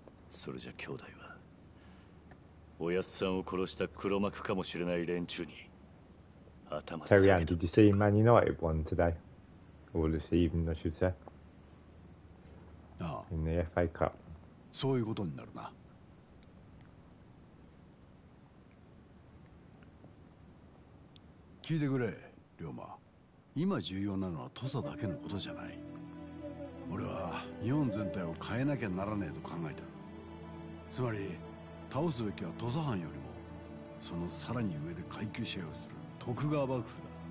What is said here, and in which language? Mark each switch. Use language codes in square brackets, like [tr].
[ja] それじゃ兄弟はおやすさんを殺した黒幕かもしれない連中に頭下げた。 [en] Terry Ann, did you see Man United won today? Or this evening, I should say. [ja] ああ。 [en] In the FA Cup. [ja] そういうことになるな。聞いてくれ、龍馬。今重要なのは土佐だけのことじゃない。俺は日本全体を変えなきゃならねえと考えてる。つまり倒すべきは土佐藩よりもそのさらに上で階級試合をする徳川幕府だ。